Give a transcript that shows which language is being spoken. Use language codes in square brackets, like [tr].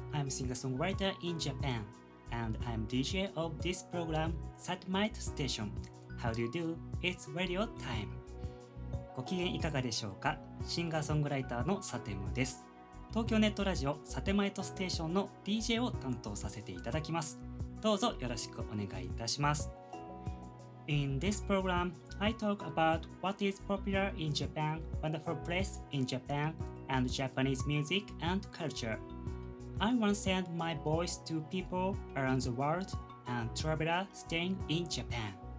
[en] I'm singer-songwriter in Japan, and I'm DJ of this program, Satemite Station. How do you do? It's radio time. [ja] ご機嫌いかがでしょうか？シンガーソングライターのサテムです。東京ネットラジオ、サテマイトステーションの DJ を担当させていただきます。どうぞよろしくお願いいたします。 [en] In this program, I talk about what is popular in Japan, wonderful place in Japan, and Japanese music and culture. I once sent my voice to people around the world and traveler staying in Japan.